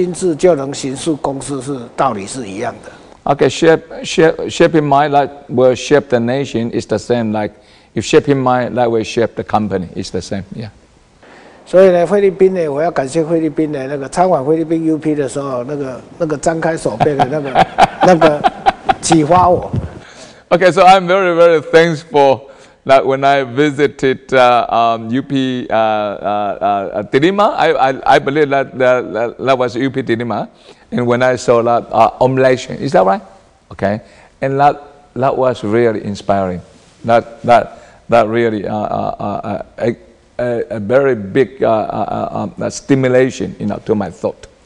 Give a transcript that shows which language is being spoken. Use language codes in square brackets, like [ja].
[zh] 行塑心智就能行塑国家哈，跟行塑心智就能行塑公司是道理是一样的. [en] Okay, shaping mind that will shape the nation is the same. Like if shaping mind that will shape the company is the same. Yeah. [zh] 所以呢，菲律宾呢，我要感谢菲律宾的那个参观菲律宾 UP 的时候，那个张开手臂的那个启发我。 [en] Okay, so I'm very, very thankful that when I visited UP Dilima, I believe that was UP Dilima, and when I saw that oblation, is that right? Okay, and that was really inspiring. That really a very big stimulation, you know, to my thought.